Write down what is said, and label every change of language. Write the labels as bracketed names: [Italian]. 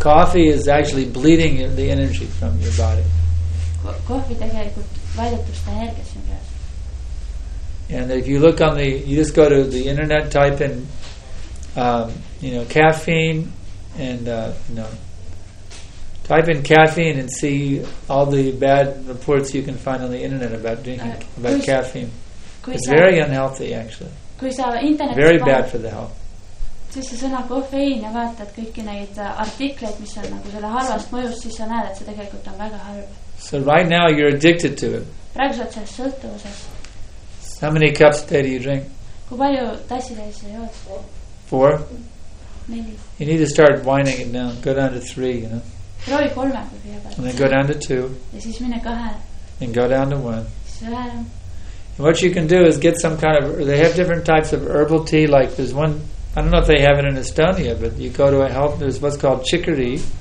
[English] Coffee is actually bleeding the energy from your body. [Estonian] Kohvi tegelikult väljutab seda energiat sinu käes. [English] And if you look on the, you just go to the internet, type in, you know, caffeine, and, you know, type in caffeine and see all the bad reports you can find on the internet about drinking, about [Estonian] kui [English] caffeine. It's very unhealthy, actually. Very bad for the health. [Estonian] Siis see sõna kofein ja vaatad kõiki neid artikleid, mis on nagu selle halvast mõjus, siis sa näed, et see tegelikult on väga halv. [English] So right now you're addicted to it. [Estonian] Praegu sa oled selles sõltuvuses. [English] How many cups a day do you drink? [Estonian] Kui palju tassi täis sa jood? [English] Four? [Estonian] Neli. [English] You need to start winding it down. Go down to three, you know. [Estonian] Proovi kolme, kui peab. [English] And then go down to two. [Estonian] Ja siis mine kahe. [English] And go down to one. [Estonian] Siis vähem. [English] And what you can do is get some kind of, they have different types of herbal tea, like there's one, I don't know if they have it in Estonia, but you go to a health, there's what's called chicory.